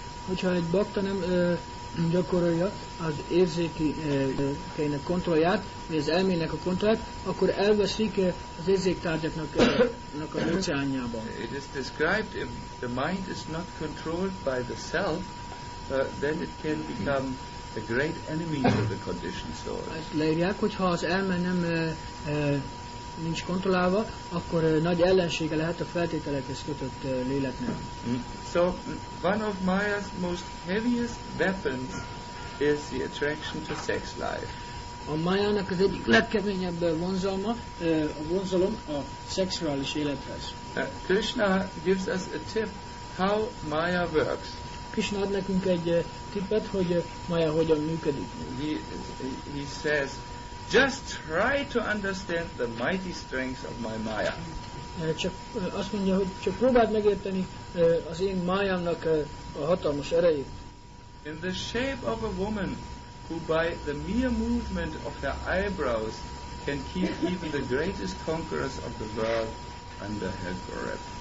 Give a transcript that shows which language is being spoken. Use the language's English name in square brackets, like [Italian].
[Hungarian] Hogyha egy bakta nem gyakorolja az érzékeinek kontrollját, vagy az elmének a kontrollját, akkor elveszik az érzéktárgyaknak az óceánjában. [English] It is described, if the mind is not controlled by the self, then it can become a great enemy to the conditioned soul. [Hungarian] Leírják, hogy ha az elme nem nincs kontrollálva, akkor nagy ellensége lehet a feltételekhez kötött léleknek. [English] So one of Maya's most heaviest weapons is the attraction to sex life. [Hungarian] A Maya-nak az egyik legkeményebb vonzalma, a vonzalom a szexuális élethez. [English] Krishna gives us a tip how Maya works. [Hungarian] Krishna ad nekünk egy tippet, hogy Maya hogyan működik. [English] He says, just try to understand the mighty strength of my Maya. [Hungarian] Csak azt mondja, hogy csak próbáld megérteni az én Mayámnak a hatalmas erejét. [English] In the shape of a woman who by the mere movement of her eyebrows can keep even the greatest conquerors of the world under her grip.